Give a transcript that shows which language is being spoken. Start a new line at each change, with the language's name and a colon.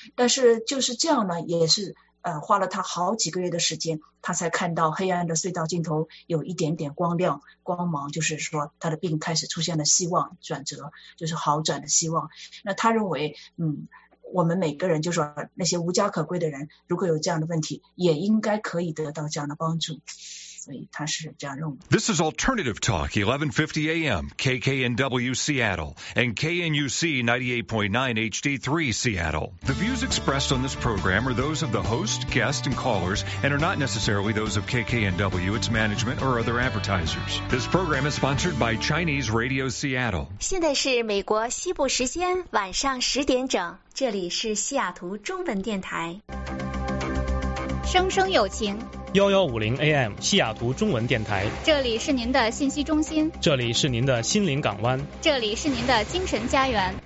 Chinese: 但是就是这样呢，也是花了他好几个月的时间，他才看到黑暗的隧道尽头有一点点光亮光芒，就是说他的病开始出现了希望，转折就是好转的希望。那他认为我们每个人就是说那些无家可归的人，如果有这样的问题也应该可以得到这样的帮助，所以他是这样认为。
English: This is Alternative Talk 1150 AM KKNW Seattle and KNUC 98.9 HD3 Seattle. The views expressed on this program are those of the host, guest, and callers and are not necessarily those of KKNW, its management, or other advertisers. This program is sponsored by Chinese Radio Seattle.
Chinese: 现在是美国西部时间晚上10点整，这里是西雅图中文电台。声声有情 1150 AM 西雅图中文电台，这里是您的信息中心，这里是您的心灵港湾，这里是您的精神家园，